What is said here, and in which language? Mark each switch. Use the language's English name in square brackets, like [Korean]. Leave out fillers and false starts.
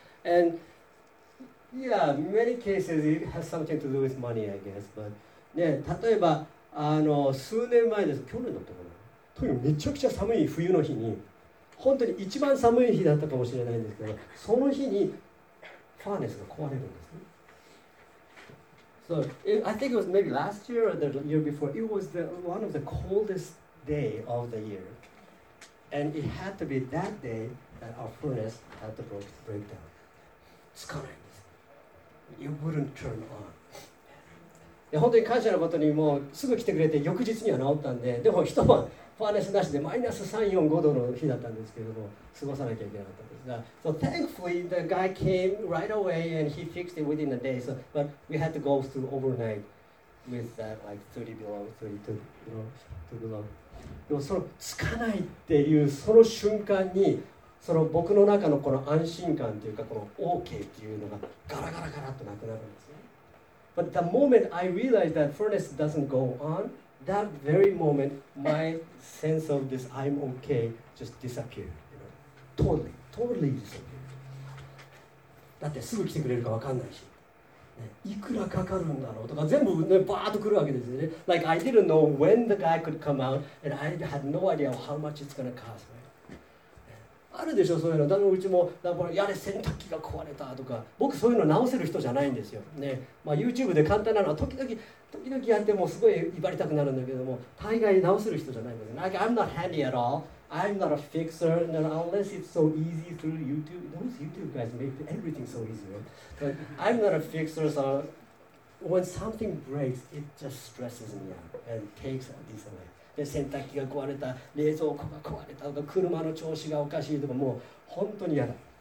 [English] And yeah, many cases it has something to do with money, I guess. [Japanese] But, ね、例えばあの数年前です。去年だったかな。とにかくめちゃくちゃ寒い冬の日に本当に一番寒い日だったかもしれないんですけど、その日にファーネスが壊れるんですね。 [English] So, I think it was maybe last year or the year before. It was the, one of the coldest day of the year. And it had to be that day that our furnace had to break down. [Japanese] つかないんです。 [English] You wouldn't turn on. [Japanese] 本当に感謝のことにもうすぐ来てくれて翌日には治ったんで、でも一晩ファーネスなしでマイナス3、4、5度の日だったんですけれども、過ごさなきゃいけなかったんですが、 [English] So thankfully the guy came right away and he fixed it within a day, so, but we had to go through overnight with that like 30 below, 32 below, 2 below. [Japanese] でもそのつかないっていうその瞬間に、その僕の中のこの安心感というかこの OK っていうのがガラガラガラっとなくなるんですね。 [English] But the moment I realized that furnace doesn't go on, that very moment, my sense of this I'm okay just disappeared. You know? Totally, totally disappeared. [Japanese] だってすぐ来てくれるか分かんないし、ね、いくらかかるんだろうとか全部、ね、バーッと来るわけですよね。 [English] Like I didn't know when the guy could come out, and I had no idea how much it's gonna cost.、Right? [Japanese] あるでしょそういうの。だからうちもだからやれ洗濯機が壊れたとか、僕そういうの直せる人じゃないんですよ、ね、まあ、YouTube で簡単なのは時々やってもすごい威張りたくなるんだけども、大概直せる人じゃないんですよ。 [English] Like, I'm not handy at all, I'm not a fixer, unless it's so easy through YouTube. Those YouTube guys make everything so easy, right? But I'm not a fixer, so when something breaks, it just stresses me out and takes a decent life. [Japanese] で洗濯機が壊れた、冷蔵庫が壊れたとか、車の調子がおかしいとか、もう本当に嫌だ。